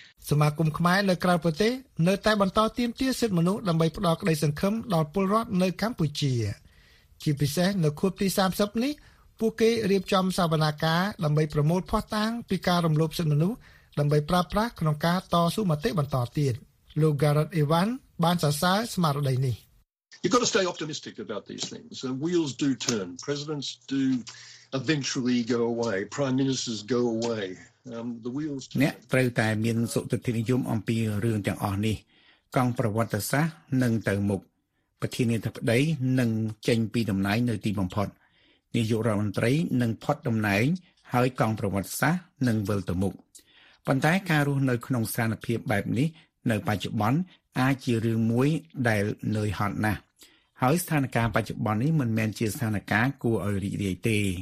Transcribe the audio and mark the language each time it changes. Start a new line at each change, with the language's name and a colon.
Khmer: សមាគមខ្មែរនៅក្រៅប្រទេសនៅតែបន្តទាមទារសិទ្ធិមនុស្សដើម្បីផ្ដល់ក្តីសង្ឃឹមដល់ពលរដ្ឋនៅកម្ពុជាជាពិសេសនៅខួបទី30នេះពួកគេរៀបចំសវនាការដើម្បីប្រមូលភស្តុតាងពីការរំលោភសិទ្ធិមនុស្សដើម្បីប្រើប្រាស់ក្នុងការតស៊ូមតិបន្តទៀតលោក Garrett Evan បានសរសើរស្មារតីនេះ
English: You got to stay optimistic about these things. The wheels do turn. Presidents do eventually go away. Prime ministers go away. The wheels
Khmer: អ្នកត្រូវតែមានសុទ្ធិនិយមអំពីរឿងទាំងអស់នេះកង់ប្រវត្តិសាស្ត្រនឹងទៅមុខប្រធានាធិបតីនឹងចេញពីតំណែងនៅទីបំផុតនាយករដ្ឋមន្ត្រីនឹងផុតតំណែងហើយកងប្រវត្តិសាស្ត្រនឹងវិលទៅមុខប៉ុន្តែការរស់នៅក្នុងស្ថានភាពបែបនេះនៅបច្ចុប្បន្នអាចជារឿងមួយដែលនឿយហត់ណាស់ហើយស្ថានភាពបច្ចុប្បន្ននេះមិនមែនជាស្ថានភាពគួរឲ្យរីករាយទេ